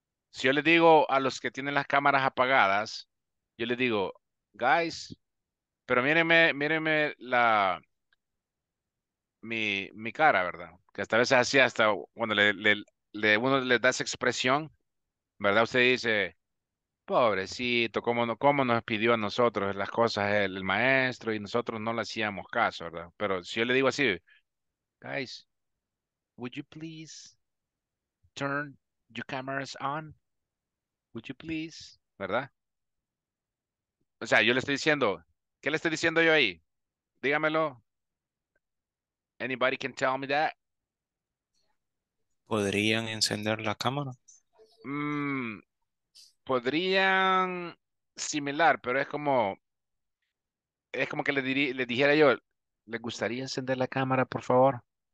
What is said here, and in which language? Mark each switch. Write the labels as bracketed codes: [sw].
[es] Si yo le digo a los que tienen las cámaras apagadas, yo le digo, guys, pero mírenme mi cara, ¿verdad? Que hasta a veces así, hasta cuando uno le da esa expresión, ¿verdad? Usted dice, Pobrecito, cómo nos pidió a nosotros las cosas el maestro y nosotros no le hacíamos caso, ¿verdad? Pero si yo le digo así, [en] guys, would you please turn your cameras on? Would you please, [es] ¿verdad? O sea, yo le estoy diciendo, ¿qué le estoy diciendo yo ahí? Dígamelo. [en] Anybody can tell me that? [es] ¿Podrían encender la cámara? Podrían similar, pero es como que le dijera yo, ¿le gustaría encender la cámara, por favor?